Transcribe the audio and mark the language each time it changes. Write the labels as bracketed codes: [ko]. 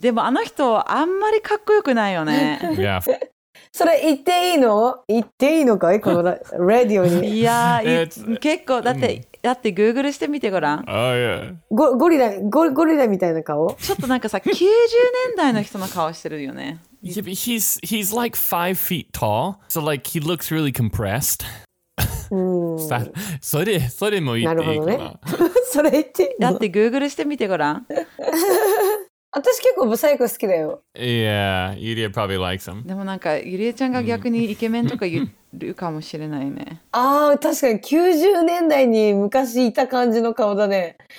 [ja] でもあの人あんまりかっこよくないよね。 [en] Yeah. [ja] それ言っていいの？言っていいのかい？このラディオに。いや、結構だって。だってグーグルしてみてごらん。 [en] Oh, yeah. [ja] ゴリラみたいな顔。ちょっとなんかさ、90年代の人の顔してるよね。 [en] Yeah, but he's like 5 feet tall, so like he looks really compressed. [ja] それも言っていいかな。なるほどね。それ言っていいの？だってグーグルしてみてごらん。私結構ブサイク好きだよ。 [en] Yeah, Yuri probably likes him. [ja] でもなんかゆりえちゃんが逆にイケメンとか言るかもしれないね。ああ、確かに90年代に昔いた感じの顔だね。